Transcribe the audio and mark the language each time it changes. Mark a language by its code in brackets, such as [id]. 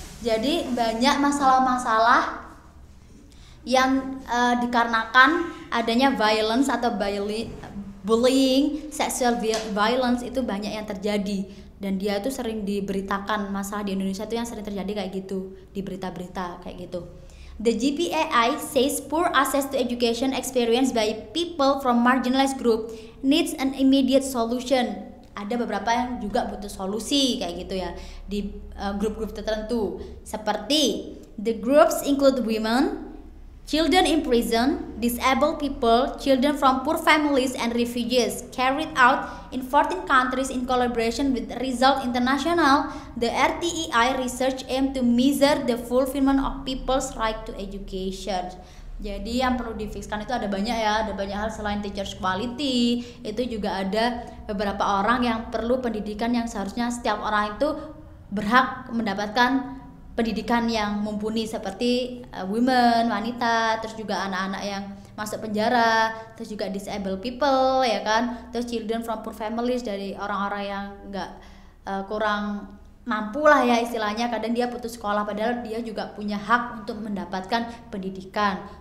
[id] Jadi banyak masalah-masalah yang dikarenakan adanya violence atau bullying, sexual violence itu banyak yang terjadi. Dan dia itu sering diberitakan, masalah di Indonesia itu yang sering terjadi kayak gitu, di berita-berita kayak gitu. [en] The GPAI says poor access to education experienced by people from marginalized group needs an immediate solution. [id] Ada beberapa yang juga butuh solusi kayak gitu ya di grup-grup tertentu. Seperti [en] the groups include women, children in prison, disabled people, children from poor families and refugees. Carried out in 14 countries in collaboration with Result International, the RTEI research aim to measure the fulfillment of people's right to education. [id] Jadi yang perlu difikskan itu ada banyak ya, ada banyak hal selain teachers quality, itu juga ada beberapa orang yang perlu pendidikan yang seharusnya setiap orang itu berhak mendapatkan pendidikan yang mumpuni, seperti women, wanita, terus juga anak-anak yang masuk penjara, terus juga [en] disabled people, [id] ya kan, terus [en] children from poor families, [id] dari orang-orang yang nggak kurang mampu lah ya istilahnya, kadang dia putus sekolah padahal dia juga punya hak untuk mendapatkan pendidikan.